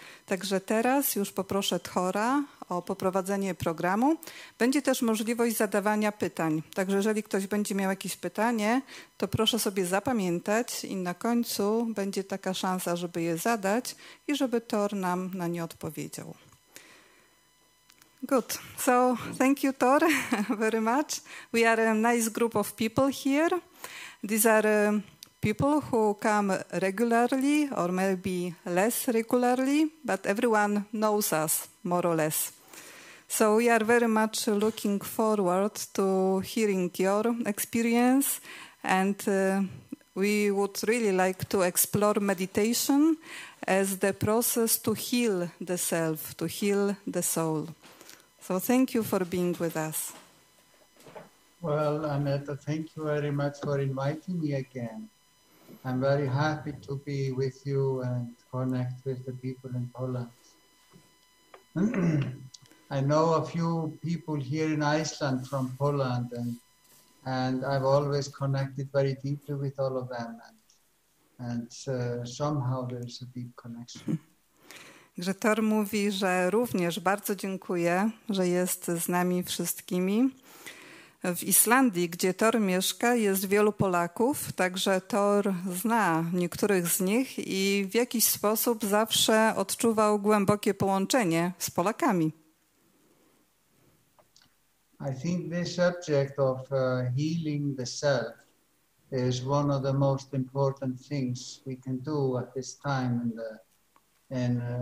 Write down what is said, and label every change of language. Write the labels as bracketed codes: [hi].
[pl] Także teraz już poproszę Tora o poprowadzenie programu. Będzie też możliwość zadawania pytań. Także jeżeli ktoś będzie miał jakieś pytanie, to proszę sobie zapamiętać i na końcu będzie taka szansa, żeby je zadać i żeby Tor nam na nie odpowiedział. [en] Good. So thank you, Tor, very much. We are a nice group of people here. These are people who come regularly or maybe less regularly, but everyone knows us more or less. So we are very much looking forward to hearing your experience, and we would really like to explore meditation as the process to heal the self, to heal the soul. So thank you for being with us. Well, Aneta, thank you very much for inviting me again. I'm very happy to be with you and connect with the people in Poland. I know a few people here in Iceland from Poland, and I've always connected very deeply with all of them. And somehow there's a deep connection. [pl] Także Tor mówi, że również bardzo dziękuję, że jest z nami wszystkimi. W Islandii, gdzie Tor mieszka, jest wielu Polaków, także Tor zna niektórych z nich i w jakiś sposób zawsze odczuwał głębokie połączenie z Polakami. [en] I think this subject of healing the self is one of the most important things we can do at this time in